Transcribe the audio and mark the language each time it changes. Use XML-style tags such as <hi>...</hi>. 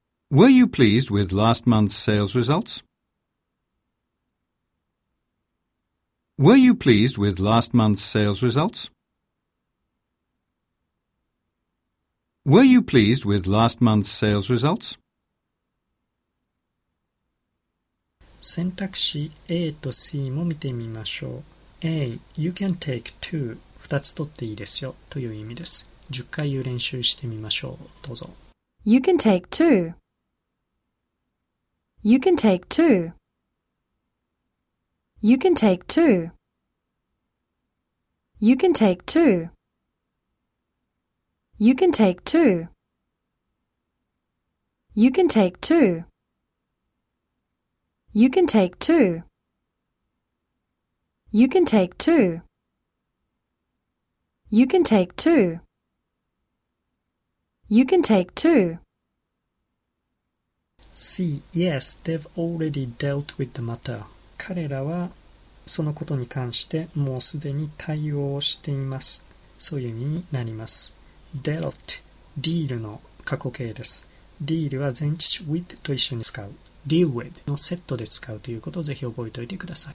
<en>Were you pleased with last month's sales results? Were you pleased with last month's sales results? Were you pleased with last month's sales results?</en> <ja>選択肢 A と C も見てみましょう。 A,</ja> <en>you can take two</en> <ja>2つ取っていいですよという意味です。 10回言う練習してみましょう。どうぞ。</ja> <en>You can take two. You can take two. You can take two. You can take two. You can take two. You can take two. You can take two. You can take two. You can take two. You can take two. See, yes, they've already dealt with the matter.</en> <ja>彼らはそのことに関してもうすでに対応しています。そういう意味になります。 Dealt, deal の過去形です。Deal は前置詞 with と一緒に使う。 Deal with のセットで使うということをぜひ覚えておいてください。</ja>